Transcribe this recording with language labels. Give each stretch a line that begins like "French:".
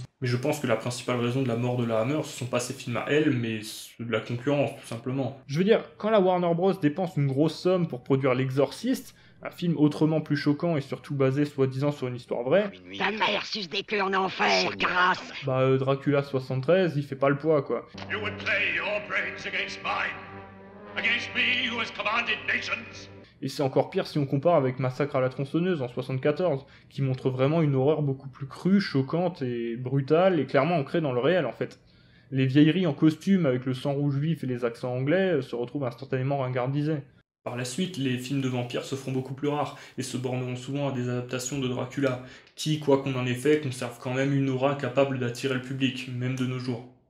French: Mais je pense que la principale raison de la mort de la Hammer, ce sont pas ses films à elle, mais ceux de la concurrence, tout simplement. Je veux dire, quand la Warner Bros. Dépense une grosse somme pour produire L'Exorciste, Un film autrement plus choquant et surtout basé soi-disant sur une histoire vraie. Ta mère suce des queues en enfer, grâce. Bah Dracula 73, il fait pas le poids quoi.
English: You would play your brains against mine. Against me who has commanded nations.
French: Et c'est encore pire si on compare avec Massacre à la tronçonneuse en 74, qui montre vraiment une horreur beaucoup plus crue, choquante et brutale et clairement ancrée dans le réel en fait. Les vieilleries en costume avec le sang rouge vif et les accents anglais se retrouvent instantanément ringardisées. Par la suite, les films de vampires se feront beaucoup plus rares et se borneront souvent à des adaptations de Dracula, qui, quoi qu'on en ait fait, conservent quand même une aura capable d'attirer le public, même de nos jours.